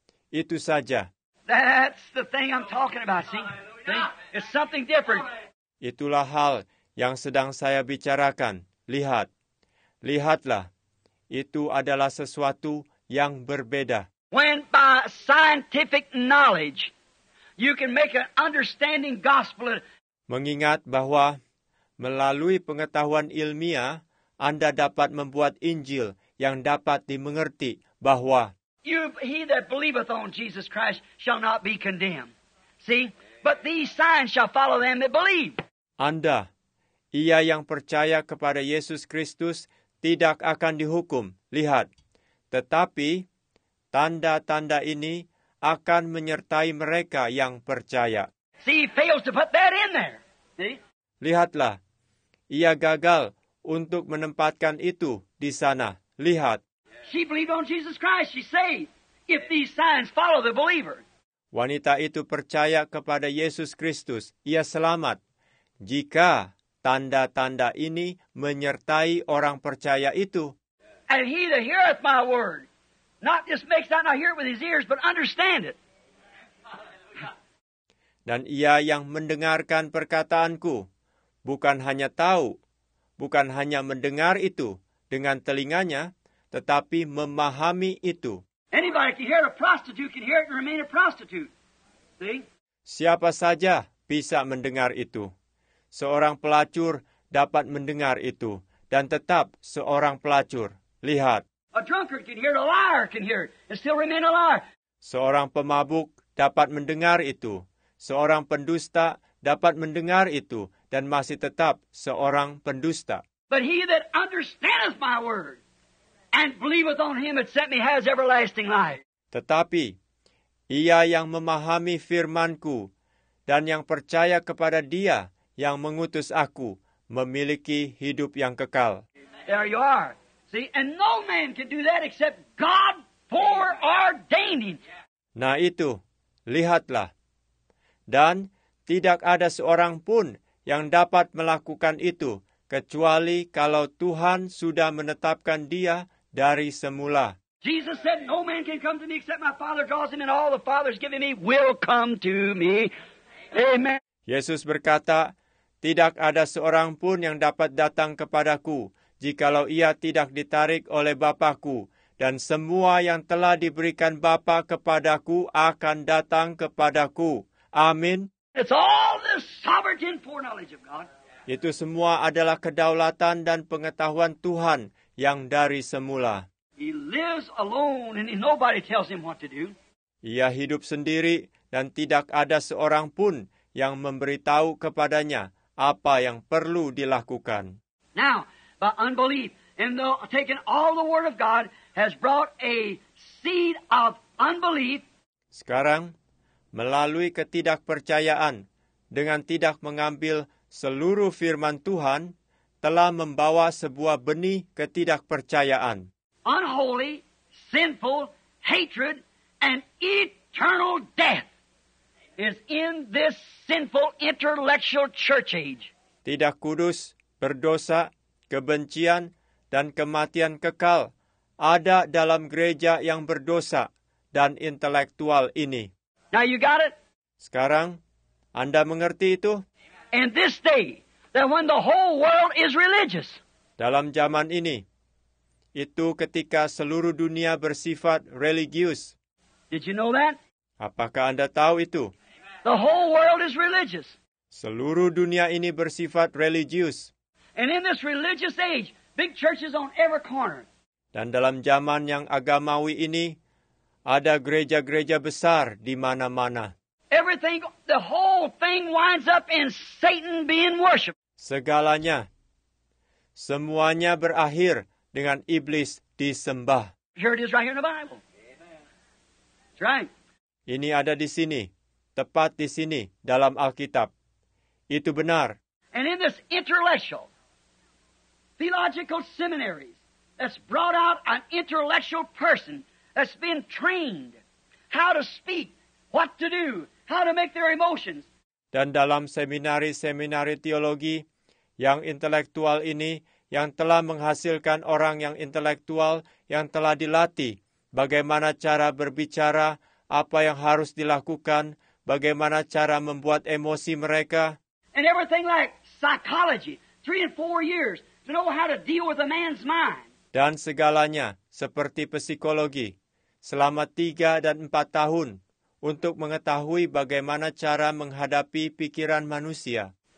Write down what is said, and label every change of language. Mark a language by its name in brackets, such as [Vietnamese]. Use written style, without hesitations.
[Indonesian] Itu saja. [English] That's the thing I'm talking about, see? It's something different. [Indonesian] Itulah hal yang sedang saya bicarakan. Lihat. Lihatlah. Itu adalah sesuatu yang berbeda. [English] When by scientific knowledge, you can make an understanding gospel. [Indonesian] Mengingat bahwa melalui pengetahuan ilmiah, Anda dapat membuat Injil yang dapat dimengerti bahwa [English] he that believeth on Jesus Christ shall not be condemned. See? But these signs shall follow them that believe. [Indonesian] Anda, ia yang percaya kepada Yesus Kristus tidak akan dihukum. Lihat. Tetapi, tanda-tanda ini akan menyertai mereka yang percaya. [English] See, he fails to put that in there. See? [Indonesian] Lihatlah. Ia gagal untuk menempatkan itu di sana. Lihat. [English] She believed on Jesus Christ, she saved. If these signs follow the believer. [Indonesian] Wanita itu percaya kepada Yesus Kristus, ia selamat. Jika tanda-tanda ini menyertai orang percaya itu. [English] And he that heareth my word, not just makes that not hear it with his ears, but understand it. [Indonesian] Dan ia yang mendengarkan perkataanku, bukan hanya tahu, bukan hanya mendengar itu dengan telinganya, tetapi memahami itu. [English] Anybody can hear a prostitute can hear it and remain a prostitute. See? [Indonesian] Siapa saja bisa mendengar itu. Seorang pelacur dapat mendengar itu dan tetap seorang pelacur. Lihat. [English] A drunkard can hear it, a liar can hear it, and still remain a liar. [Indonesian] Seorang pemabuk dapat mendengar itu. Seorang pendusta dapat mendengar itu dan masih tetap seorang pendusta. [English] But he that understandeth my word and believeth on him that sent me has everlasting life. [Indonesian] Tetapi ia yang memahami firman-Ku dan yang percaya kepada Dia yang mengutus Aku memiliki hidup yang kekal. [English] There you are. See, and no man can do that except God foreordaining. [Indonesian] Nah itu, lihatlah. Dan tidak ada seorang pun yang dapat melakukan itu kecuali kalau Tuhan sudah menetapkan dia dari semula. [English] Jesus said, no man can come to me except my Father draws him, and all the Father's given me will come to me. Amen. [Indonesian] Yesus berkata, tidak ada seorang pun yang dapat datang kepadaku jikalau ia tidak ditarik oleh Bapa-Ku, dan semua yang telah diberikan Bapa kepadaku akan datang kepadaku. Amin. [English] It's all the sovereignty and foreknowledge of God. [Indonesian] Itu semua adalah kedaulatan dan pengetahuan Tuhan yang dari semula. [English] He lives alone and nobody tells him what to do. [Indonesian] Ia hidup sendiri dan tidak ada seorang pun yang memberitahu kepadanya apa yang perlu dilakukan. [English] Now, by unbelief, and though taking all the word of God has brought a seed of unbelief. [Indonesian] Sekarang, melalui ketidakpercayaan, dengan tidak mengambil seluruh firman Tuhan, telah membawa sebuah benih ketidakpercayaan. [English] Unholy, sinful, hatred, and eternal death is in this sinful intellectual church age. [Indonesian] Tidak kudus, berdosa, kebencian, dan kematian kekal ada dalam gereja yang berdosa dan intelektual ini. [English] Now you got it? [Indonesian] Sekarang, Anda mengerti itu? [English] In this day, that when the whole world is religious. [Indonesian] Dalam zaman ini, itu ketika seluruh dunia bersifat religius. [English] Did you know that? [Indonesian] Apakah Anda tahu itu? [English] The whole world is religious. [Indonesian] Seluruh dunia ini bersifat religius. [English] And in this religious age, big churches on every corner. [Indonesian] Dan dalam zaman yang agamawi ini, ada gereja-gereja besar di mana-mana. [English] Everything, the whole thing winds up in Satan being worshipped. [Indonesian] Segalanya, semuanya berakhir dengan iblis disembah. [English] Here it is right here in the Bible. That's right. [Indonesian] Ini ada di sini, tepat di sini dalam Alkitab. Itu benar. [English] And in this intellectual, theological seminaries, that's brought out an intellectual person that's been trained how to speak, what to do, how to make their emotions. [Indonesian] Dan dalam seminari-seminari teologi yang intelektual ini, yang telah menghasilkan orang yang intelektual, yang telah dilatih bagaimana cara berbicara, apa yang harus dilakukan, bagaimana cara membuat emosi mereka. [English] And everything like psychology, 3 and 4 years, to know how to deal with a man's mind. [Indonesian] Dan segalanya, seperti psikologi, selama 3 dan 4 tahun, untuk mengetahui bagaimana cara menghadapi pikiran manusia.